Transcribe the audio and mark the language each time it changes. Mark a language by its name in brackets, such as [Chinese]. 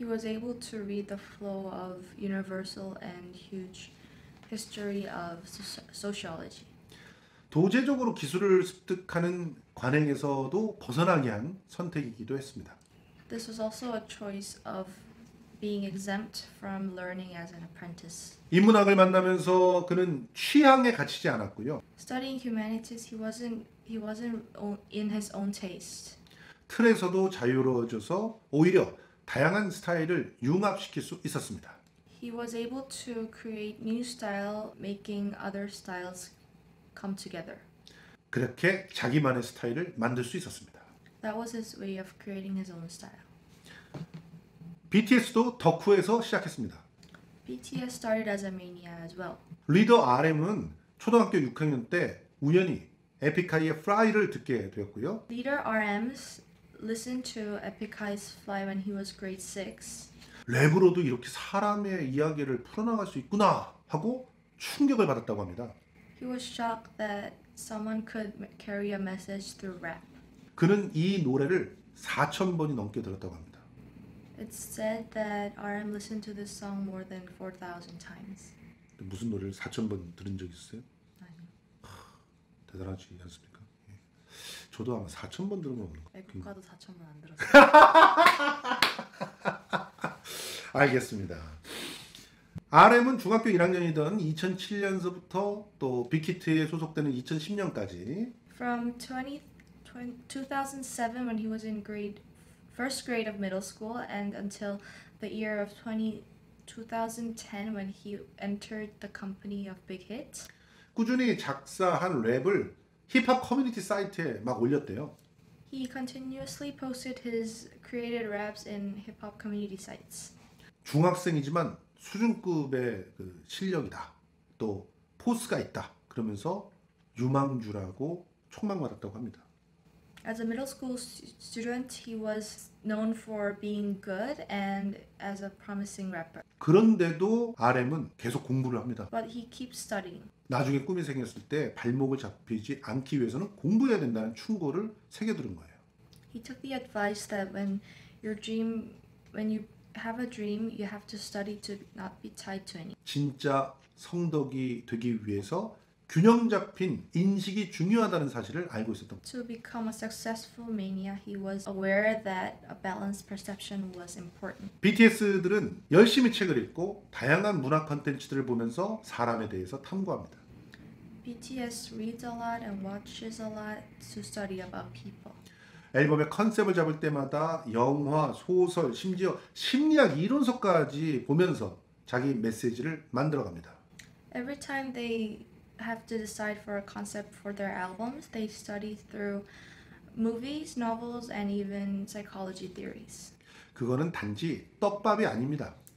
[English] He was able to read the flow of universal and huge history of sociology. [Korean] 도제적으로 기술을 습득하는 관행에서도 벗어나게 한 선택이기도 했습니다. [English] This was also a choice of being exempt from learning as an apprentice. [Korean] 인문학을 만나면서 그는 취향에 갇히지 않았고요. [English] Studying humanities, he wasn't in his own taste. [Korean] 틀에서도 자유로워져서 오히려 다양한 스타일을 융합시킬 수 있었습니다. [English] He was able to create new style, making other styles come together. [Korean] 그렇게 자기만의 스타일을 만들 수 있었습니다. [English] That was his way of creating his own style. [Korean] BTS도 덕후에서 시작했습니다. [English] BTS started as a mania as well. [Korean] 리더 RM은 초등학교 6학년 때 우연히 에픽하이의 Fly를 듣게 되었고요. [English] Leader RM listened to Epikai's Fly when he was grade 6. [Korean] 랩으로도 이렇게 사람의 이야기를 풀어나갈 수 있구나 하고 충격을 받았다고 합니다. [English] He was shocked that someone could carry a message through rap. [Korean] 그는 이 노래를 4,000번이 넘게 들었다고 합니다. [English] It's said that RM listened to this song more than 4,000 times. [Korean] 무슨 노래를 4,000번 들은 적 있어요? 아니요. 대단하지 않습니까? 저도 아마 4,000번 들은 건 없는 거 같아요. 에픽하이도 4,000번 안 들었어요. 알겠습니다. RM은 중학교 1학년이던 2007년서부터 또 빅히트에 소속되는 2010년까지 [English] From 2007 when he was in grade first grade of middle school and until the year of 2010 when he entered the company of Big Hit [Korean] 꾸준히 작사한 랩을 힙합 커뮤니티 사이트에 막 올렸대요. [English] He continuously posted his created raps in hip-hop community sites. [Korean] 중학생이지만 수준급의 그 실력이다. 또 포스가 있다. 그러면서 유망주라고 촉망받았다고 합니다. [English] As a middle school student, he was known for being good and as a promising rapper. [Korean] 그런데도 RM은 계속 공부를 합니다. [English] But he keeps studying. [Korean] 나중에 꿈이 생겼을 때 발목을 잡히지 않기 위해서는 공부해야 된다는 충고를 새겨들은 거예요. [English] He took the advice that when you have a dream, you have to study to not be tied to any. [Korean] 진짜 성덕이 되기 위해서 균형 잡힌 인식이 중요하다는 사실을 알고 있었던 [English] To become a successful mania, he was aware that a balanced perception was important. [Korean] BTS들은 열심히 책을 읽고 다양한 문화 콘텐츠들을 보면서 사람에 대해서 탐구합니다. [English] BTS reads a lot and watches a lot to study about people. [Korean] 앨범의 컨셉을 잡을 때마다 영화, 소설, 심지어 심리학 이론서까지 보면서 자기 메시지를 만들어갑니다. [English] Every time they have to decide for a concept for their albums, they study through movies, novels, and even psychology theories. [Korean] 그거는 단지 떡밥이 아닙니다.